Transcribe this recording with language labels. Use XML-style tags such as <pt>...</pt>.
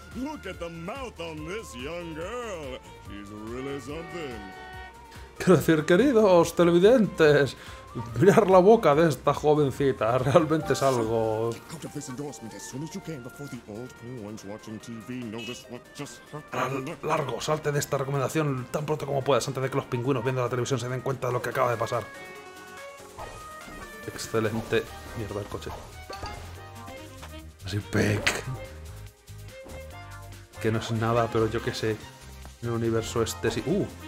<en>Look at the mouth on this young girl. She's really something.</en> <es>Quiero decir, queridos televidentes, mirar la boca de esta jovencita realmente es algo.</es> <en>Out of this endorsement as soon as you can before the old ones watching TV notice what just happened.</en> <es>Largo, salte de esta recomendación tan pronto como puedas antes de que los pingüinos viendo la televisión se den cuenta de lo que acaba de pasar. Excelente. Mierda, el coche. Así, Peck. Que no es nada, pero yo qué sé. En el universo este sí.</es>